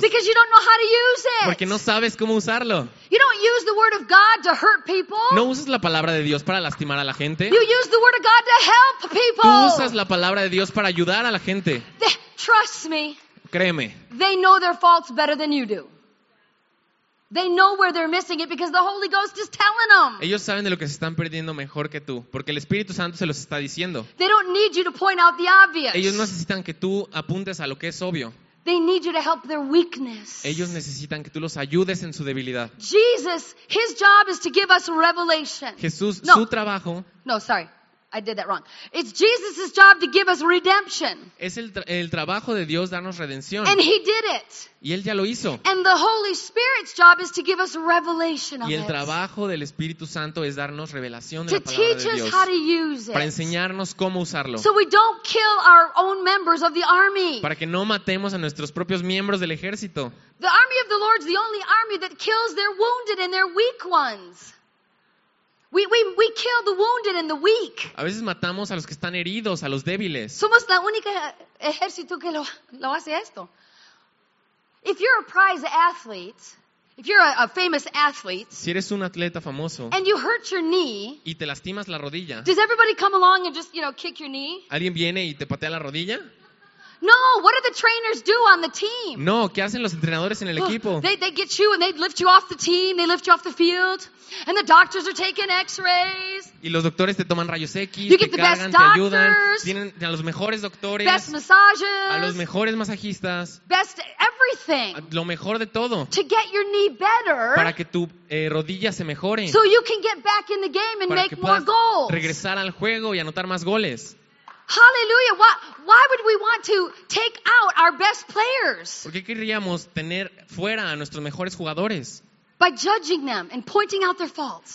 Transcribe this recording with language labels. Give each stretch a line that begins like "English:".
English: Because you don't know how to use it.
Spanish: Porque no sabes cómo usarlo.
English: You don't use the word of God to hurt people.
Spanish: No usas la palabra de Dios para lastimar a la gente.
English: You use the word of God to help people.
Spanish: Tú usas la palabra de Dios para ayudar a la gente.
English: Trust me.
Spanish: Créeme.
English: They know their faults better than you do. They know where they're missing it because the Holy Ghost is telling them.
Spanish: Ellos saben de lo que se están perdiendo mejor que tú, porque el Espíritu Santo se los está diciendo.
English: They don't need you to point out the obvious.
Spanish: Ellos no necesitan que tú apuntes a lo que es obvio.
English: They need you to help their weakness.
Spanish: Ellos necesitan que tú los ayudes en su debilidad.
English: Jesus, his job is to give us revelation.
Spanish: Jesús, no. Su trabajo.
English: No, sorry. I did that wrong. It's Jesus' job to give us redemption.
Spanish: Es el trabajo de Dios darnos redención.
English: And he did it.
Spanish: Y él ya lo hizo.
English: And the Holy Spirit's job is to give us revelation of it.
Spanish: Y el trabajo del Espíritu Santo es darnos revelación de la palabra de Dios.
English: To teach us how to use it.
Spanish: Para enseñarnos cómo usarlo.
English: So we don't kill our own members of the army.
Spanish: Para que no matemos a nuestros propios miembros del ejército.
English: The army of the Lord's the only army that kills their wounded and their weak ones. We kill the wounded and the weak.
Spanish: A veces matamos a los que están heridos, a los débiles. Somos la única ejército que lo hace esto.
English: If you're a prize athlete, if you're a famous athlete,
Spanish: si eres un atleta famoso,
English: and you hurt your knee,
Spanish: y te lastimas la rodilla,
English: does everybody come along and just, you know, kick your knee?
Spanish: ¿Alguien viene y te patea la rodilla?
English: No, what do the trainers do on the team?
Spanish: No, ¿qué hacen los entrenadores en el equipo?
English: They get you and they lift you off the team, they lift you off the field, and the doctors are taking X-rays.
Spanish: Y los doctores te toman rayos X,
English: you
Spanish: te
English: get the
Spanish: cargan,
English: best
Spanish: te
English: doctors,
Spanish: ayudan, tienen a los mejores doctores,
English: best massages,
Spanish: a los mejores masajistas,
English: best everything,
Spanish: lo mejor de todo,
English: to get your knee better,
Spanish: para que tu rodilla se mejore,
English: so you can get back in the game and
Spanish: para
English: make
Spanish: que puedas
English: more goals.
Spanish: Regresar al juego y anotar más goles.
English: Hallelujah. Why would we want to take out our best players?
Spanish: ¿Por qué querríamos tener fuera a nuestros mejores jugadores?
English: By judging them and pointing out their faults.